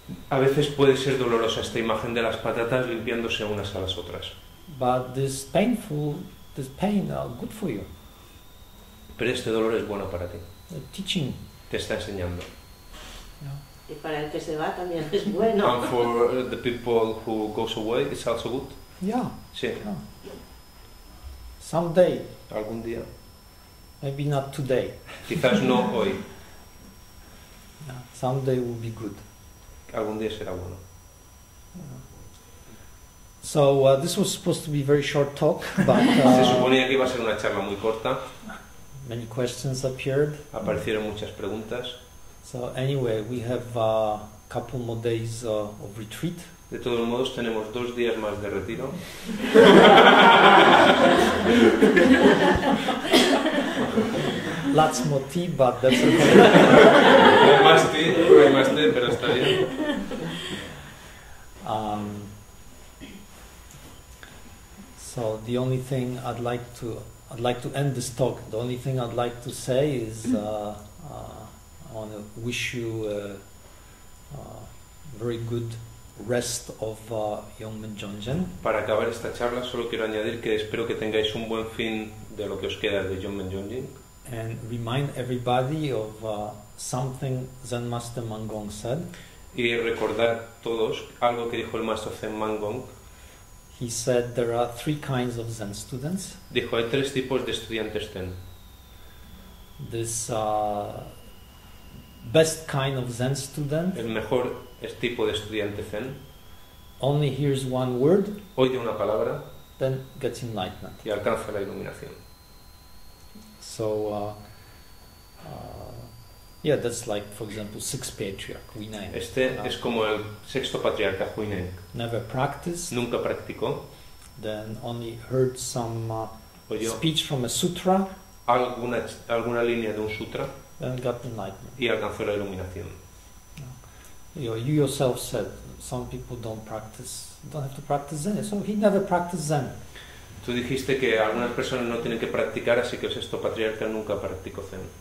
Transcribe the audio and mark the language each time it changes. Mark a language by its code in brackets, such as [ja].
[es] A veces puede ser dolorosa esta imagen de las patatas limpiándose unas a las otras. [en] But this pain, good for you. [es] Pero este dolor es bueno para ti. [en] Teaching. [es] Te está enseñando. [en] Yeah. [es] Y para el que se va también es bueno. [en] And for the people who goes away, it's also good. Yeah. [es] Sí. [en] Yeah. Someday. [es] Algún día. [en] Maybe not today. [es] Quizás no hoy. [en] Someday will be good. [es] Algún día será bueno. [en] So this was supposed to be a very short talk, but [es] se suponía que iba a ser una charla muy corta. [en] Many questions appeared. [es] Aparecieron muchas preguntas. [en] So anyway, we have a couple more days of retreat. [es] De todos modos, tenemos dos días más de retiro. [en] Lots more tea, but that's okay. [es] No hay más té, pero está bien. [en] So the only thing I'd like to end this talk. The only thing I'd like to say is I want to wish you a very good rest of Yongmen Jongzhen. [es] Para acabar esta charla solo quiero añadir que espero que tengáis un buen fin de lo que os queda de Yongmen Jongzhen. [en] And remind everybody of something Zen Master Mangong said. [es] Y recordar todos algo que dijo el maestro Zen Mangong. [en] He said there are three kinds of Zen students. [es] Dijo hay tres tipos de estudiantes Zen. [en] This best kind of Zen student. [es] El mejor tipo de estudiante Zen [en] only hears one word, [es] oye una palabra, [en] then gets enlightenment. [es] Y alcanza la iluminación. [en] So, yeah, that's like, for example, sixth patriarch, Huineng. [es] Este es como el sexto patriarca, Huineng. [en] Never practiced. [es] Nunca practicó. [en] Then only heard some speech from a sutra. [es] Alguna línea de un sutra. [en] And got enlightenment. [es] Y alcanzó la iluminación. [en] You yourself said some people don't have to practice Zen. So he never practiced Zen. [es] Tú dijiste que algunas personas no tienen que practicar, así que el sexto patriarca nunca practicó Zen.